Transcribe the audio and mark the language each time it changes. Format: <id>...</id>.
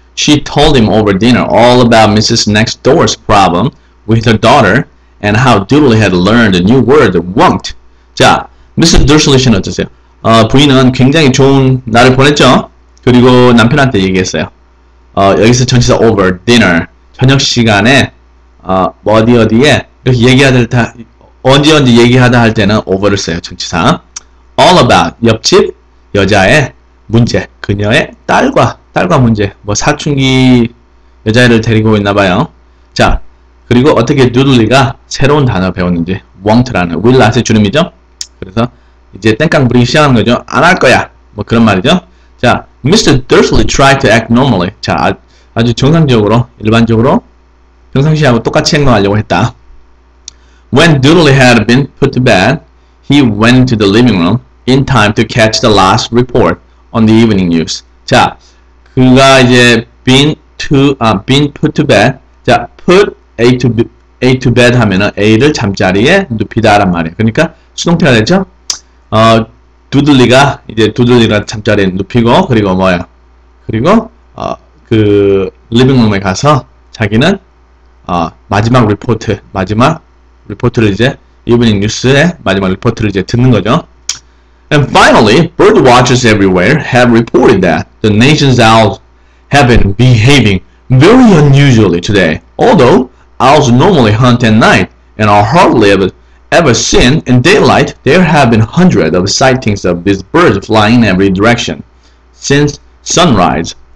<en>She told him over dinner all about Mrs. Next Door's problem with her daughter and how Dursley had learned a new word, won't.</en> <ko>자, Mrs. Dursley는 어떠세요? 부인은 굉장히 좋은 날을 보냈죠? 그리고 남편한테 얘기했어요. 여기서 전치사</ko> <en>over dinner</en> <ko>저녁 시간에 어디 어디에 이렇게 얘기하다 언제 언제 얘기하다 할 때는 over를 써요. 전치사</ko> <en>all about</en> <ko>옆집 여자의 문제 그녀의 딸과 문제 뭐 사춘기 여자애를 데리고 있나 봐요. 자 그리고 어떻게 누들리가 새로운 단어 배웠는지 want라는</ko> <en>will not</en> <ko>의 주름이죠. 그래서 이제 땡깡 부리기 시작하는 거죠. 안 할 거야 뭐 그런 말이죠.</ko> <en>자, Mr. Dursley tried to act normally.</en> <ko>자, 아주 정상적으로, 일반적으로 평상시하고 똑같이 행동하려고 했다.</ko> <en>When Dursley had been put to bed, he went to the living room in time to catch the last report on the evening news.</en> <ko>자, 그가 이제</ko> <en>been put to bed.</en> <ko>자,</ko> <en>put A to bed</en> <ko>하면은 A를 잠자리에 눕히다란 말이에요. 그러니까 수동태가 됐죠? 두들리가 이제 두들리가 잠자리에 눕히고 그리고 뭐야 그리고 그 리빙룸에 가서 자기는 마지막 리포트를 이제 이브닝 뉴스의 마지막 리포트를 이제 듣는 거죠.</ko> <en>And finally, bird watchers everywhere have reported that the nation's owls have been behaving very unusually today. Although owls normally hunt at night and are hardly ever seen in daylight, there have been hundreds of sightings of these birds flying in every direction since sunrise.</en>